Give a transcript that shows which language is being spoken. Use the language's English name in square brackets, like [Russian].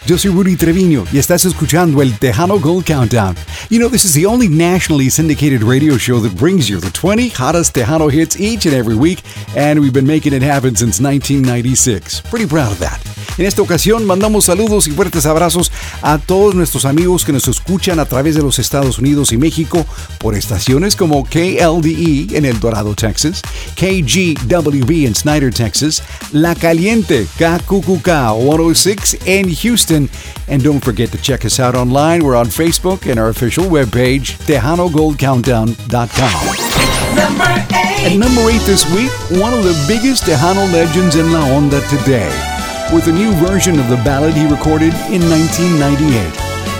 [Spanish] Yo soy Rudy Treviño y estás escuchando el Tejano Gold Countdown. [English] You know, this is the only nationally syndicated radio show that brings you the 20 hottest Tejano hits each and every week, and we've been making it happen since 1996. Pretty proud of that. [Spanish] En esta ocasión, mandamos saludos y fuertes abrazos a todos nuestros amigos que nos escuchan a través de los Estados Unidos y México por estaciones como KLDE en El Dorado, Texas, KGWB en Snyder, Texas, La Caliente, KQQK 106 en Houston. [English] And don't forget to check us out online. We're on Facebook and our official webpage, TejanoGoldCountdown.com. At number 8 this week, one of the biggest Tejano legends in La Onda today, with a new version of the ballad he recorded in 1998.